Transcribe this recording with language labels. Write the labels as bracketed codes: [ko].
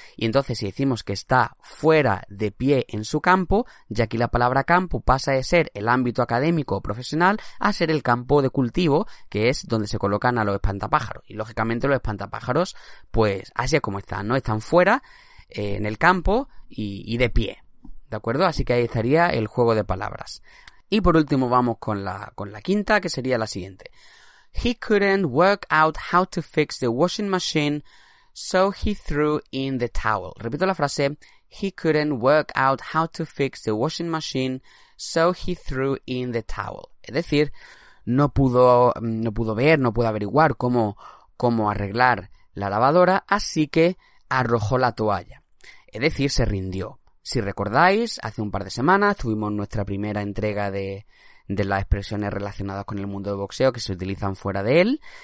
[es] Y entonces, si decimos que está fuera de pie en su campo, ya aquí la palabra campo pasa de ser el ámbito académico o profesional a ser el campo de cultivo, que es donde se colocan a los espantapájaros. Y lógicamente los espantapájaros, pues así es como están, ¿no? Están fuera, en el campo y de pie. ¿De acuerdo? Así que ahí estaría el juego de palabras. Y por último vamos con la quinta, que sería la siguiente. [en] He couldn't work out how to fix the washing machine, so he threw in the towel. [es] Repito la frase. [en] He couldn't work out how to fix the washing machine, so he threw in the towel. [es] Es decir, no pudo averiguar cómo arreglar la lavadora, así que arrojó la toalla. Es decir, se rindió. Si recordáis, hace un par de semanas tuvimos nuestra primera entrega de las expresiones relacionadas con el mundo del boxeo que se utilizan fuera de él.